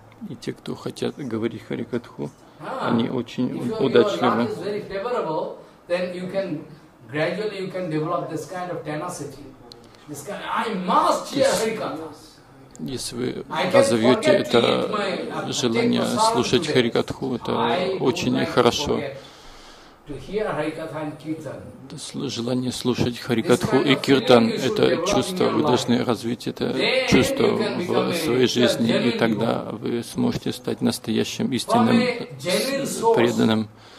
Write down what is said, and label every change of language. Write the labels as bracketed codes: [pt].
[ru] И те, кто хотят говорить Харикатху, они очень удачливы. [en] If your luck is very favorable, then you can gradually you can develop this kind of tenacity. This kind of, I must hear Harikatha. [ru] Если вы разовьете это желание слушать Харикатху, это очень хорошо. Желание слушать Харикатху и Киртан, это чувство, вы должны развить это чувство в своей жизни, и тогда вы сможете стать настоящим истинным преданным.